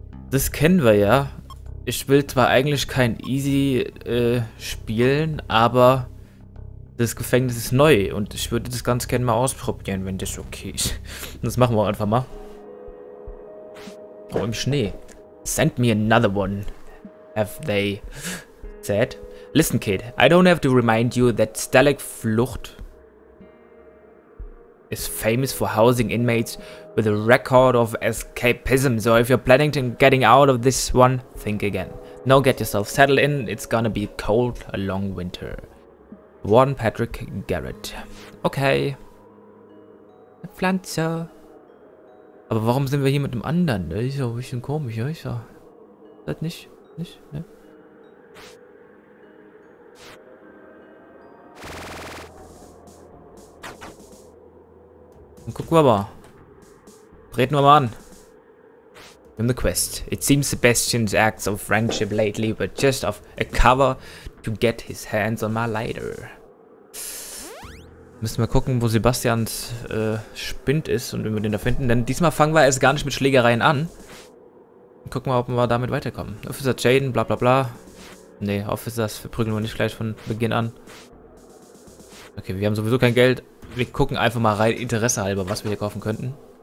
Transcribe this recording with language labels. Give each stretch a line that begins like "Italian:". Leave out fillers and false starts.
German: Das kennen wir ja. Ich will zwar eigentlich kein easy spielen, aber das Gefängnis ist neu und ich würde das ganz gerne mal ausprobieren, wenn das okay ist. Das machen wir einfach mal. Oh, im Schnee.
English: Send me another one, have they said. Listen, kid, I don't have to remind you that Stalag Flucht is famous for housing inmates with a record of escapism. So if you're planning on getting out of this one, think again. Now get yourself settled in, it's gonna be cold, a long winter.
German: Warden Patrick Garrett. Okay. Eine Pflanze. Aber warum sind wir hier mit dem anderen? Das ist ja ein bisschen komisch, ja? Ist das nicht? Nicht? Ne? Dann gucken wir mal. Reden wir mal an. Wir haben eine Quest.
English: It seems Sebastian's acts of friendship lately were just of a cover to get his hands on my lighter.
German: Müssen wir gucken, wo Sebastians Spind ist und wenn wir den da finden. Denn diesmal fangen wir erst gar nicht mit Schlägereien an. Und gucken wir, ob wir damit weiterkommen. Officer Jaden, bla bla bla. Nee, Officers verprügeln wir nicht gleich von Beginn an. Okay, wir haben sowieso kein Geld. Wir gucken einfach mal rein, Interesse halber, was wir hier kaufen könnten.